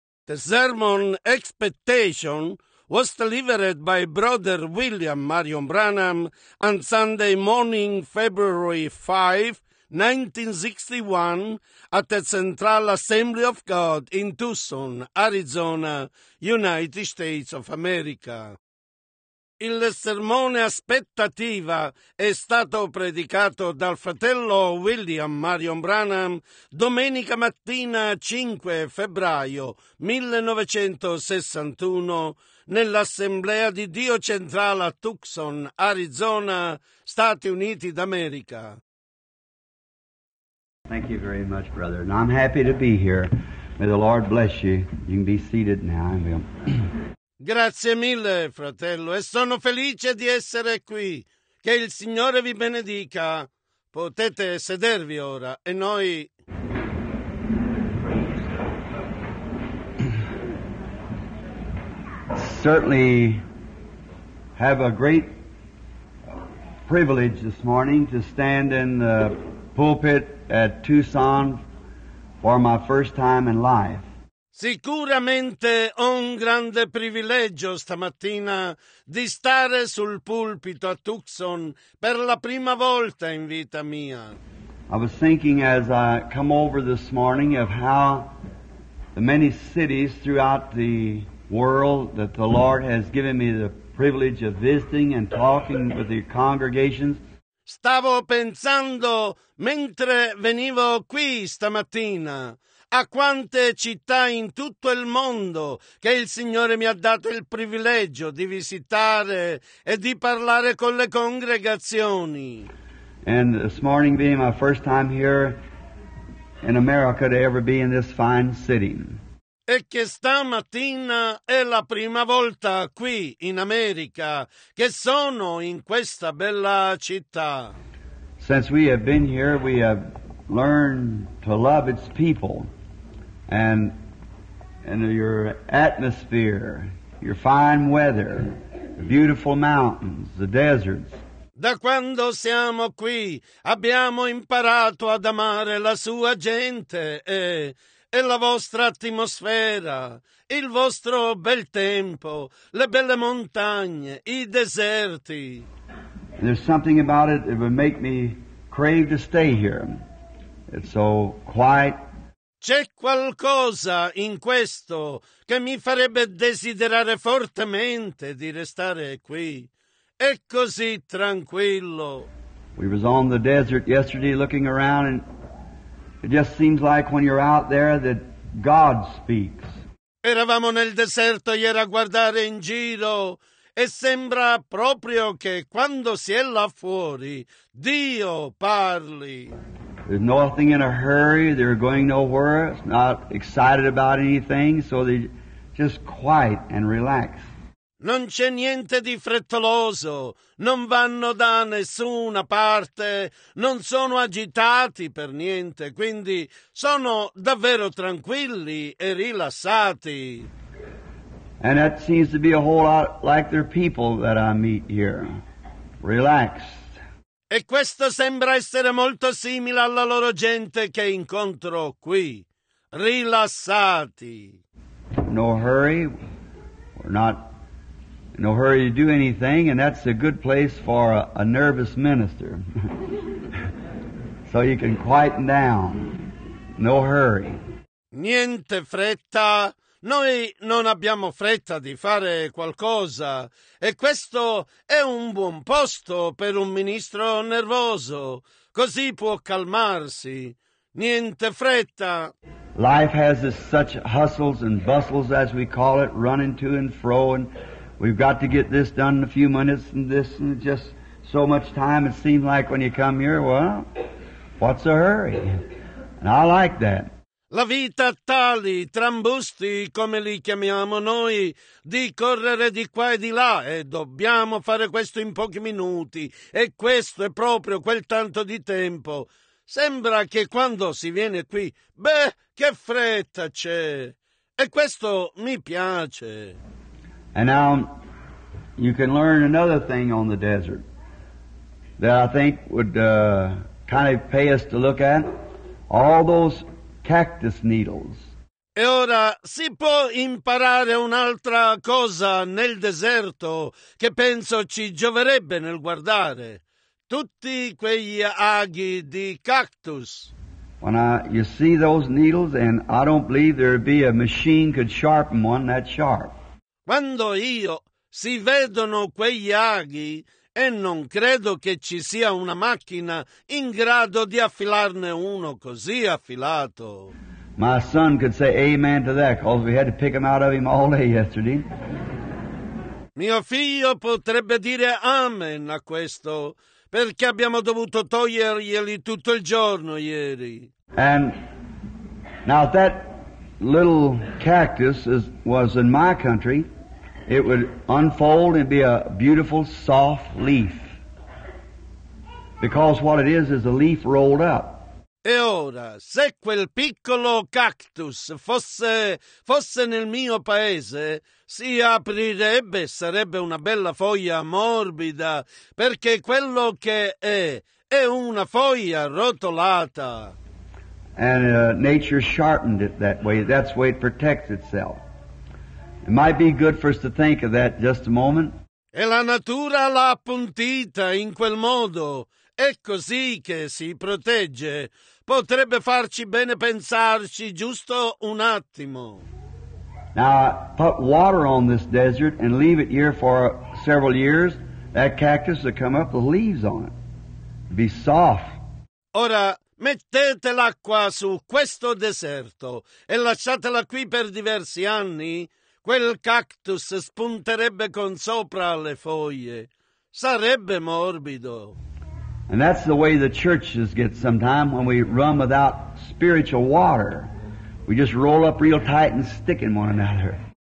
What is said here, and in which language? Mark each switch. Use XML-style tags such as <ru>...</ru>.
<en>The sermon Expectation was delivered by Brother William Marion Branham on Sunday morning, February 5, 1961, at the Central Assembly of God in Tucson, Arizona, United States of America.</en> <it>Il sermone aspettativa è stato predicato dal fratello William Marion Branham domenica mattina 5 febbraio 1961 nell'Assemblea di Dio Centrale a Tucson, Arizona, Stati Uniti d'America.</it> <en>Thank you very much, brother. And I'm happy to be here. May the Lord bless you. You can be seated now.</en> <it>Grazie mille, fratello, e sono felice di essere qui. Che il Signore vi benedica. Potete sedervi ora e noi...</it> <en>Certainly have a great privilege this morning to stand in the pulpit at Tucson for my first time in life.</en> <it>Sicuramente ho un grande privilegio stamattina di stare sul pulpito a Tucson per la prima volta in vita mia.</it> <en>I was thinking as I come over this morning of how the many cities throughout the world that the Lord has given me the privilege of visiting and talking with the congregations.</en> <it>Stavo pensando mentre venivo qui stamattina a quante città in tutto il mondo che il Signore mi ha dato il privilegio di visitare e di parlare con le congregazioni.</it> <en>And this morning being my first time here in America to ever be in this fine city.</en> <it>E che stamattina è la prima volta qui in America che sono in questa bella città.</it> <en>Since we have been here, we have learned to love its people. And your atmosphere, your fine weather, the beautiful mountains, the deserts.</en> <it>Da quando siamo qui, abbiamo imparato ad amare la sua gente e la vostra atmosfera, il vostro bel tempo, le belle montagne, i deserti.</it> <en>And there's something about it that would make me crave to stay here. It's so quiet.</en> <it>C'è qualcosa in questo che mi farebbe desiderare fortemente di restare qui. È così tranquillo.</it> <en>We was on the desert yesterday looking around and it just seems like when you're out there that God speaks.</en> <it>Eravamo nel deserto ieri a guardare in giro e sembra proprio che quando si è là fuori Dio parli.</it> <en>There's nothing in a hurry, they're going nowhere, it's not excited about anything, so they're just quiet and relaxed.</en> <it>Non c'è niente di frettoloso, non vanno da nessuna parte, non sono agitati per niente, quindi sono davvero tranquilli e rilassati.</it> <en>And that seems to be a whole lot like their people that I meet here. Relaxed.</en> <it>E questo sembra essere molto simile alla loro gente che incontro qui. Rilassati.</it> <en>No hurry. We're not in no hurry to do anything, and that's a good place for a nervous minister. So you can quieten down. No hurry.</en> <it>Niente fretta. Noi non abbiamo fretta di fare qualcosa e questo è un buon posto per un ministro nervoso. Così può calmarsi. Niente fretta.</it> <en>Life has this such hustles and bustles, as we call it, running to and fro, and we've got to get this done in a few minutes and this and just so much time. It seems like when you come here, well, what's the hurry? And I like that.</en> <it>La vita a tali trambusti, come li chiamiamo noi, di correre di qua e di là, e dobbiamo fare questo in pochi minuti, e questo è proprio quel tanto di tempo. Sembra che quando si viene qui, beh, che fretta c'è! E questo mi piace.</it> <en>And now you can learn another thing on the desert that I think would kind of pay us to look at. All those cactus needles.</en> <it>E ora si può imparare un'altra cosa nel deserto che penso ci gioverebbe nel guardare. Tutti quegli aghi di cactus.</it> <en>When you see those needles, and I don't believe there would be a machine could sharpen one that sharp.</en> <it>Quando io si vedono quegli aghi, e non credo che ci sia una macchina in grado di affilarne uno così affilato.</it> <en>My son could say amen to that, because we had to pick him out of him all day yesterday.</en> <it>Mio figlio potrebbe dire amen a questo, perché abbiamo dovuto toglierglieli tutto il giorno ieri.</it> <en>And now if that little cactus was in my country, it would unfold and be a beautiful soft leaf. Because what it is a leaf rolled up.</en> <it>E ora, se quel piccolo cactus fosse nel mio paese, si aprirebbe, sarebbe una bella foglia morbida, perché quello che è una foglia rotolata.</it> <en>And nature sharpened it that way. That's the way it protects itself. It might be good for us to think of that just a moment.</en> <it>E la natura l'ha appuntita in quel modo. È così che si protegge. Potrebbe farci bene pensarci giusto un attimo.</it> <en>Now, put water on this desert and leave it here for several years. That cactus will come up with leaves on it. It'll be soft.</en> <it>Ora, mettete l'acqua su questo deserto e lasciatela qui per diversi anni. Quel cactus spunterebbe con sopra le foglie. Sarebbe morbido.</it> <en>And that's the way the churches get sometimes when we run without spiritual water. We just roll up real tight and stick in one another.</en>